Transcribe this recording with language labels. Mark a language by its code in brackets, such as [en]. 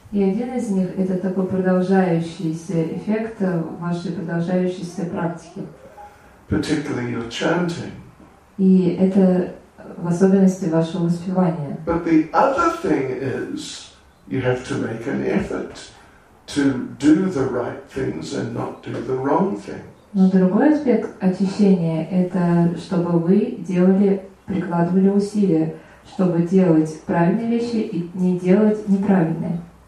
[ru] И один из них — это такой продолжающийся эффект вашей продолжающейся практики. [en] Particularly your chanting. [ru] И это в особенности ваше воспевание. [en] But the other thing is, you have to make an effort to do the right things and not do the wrong things. [ru] Но другой аспект очищения — это чтобы вы делали, прикладывали усилия, чтобы делать правильные вещи и не делать неправильные.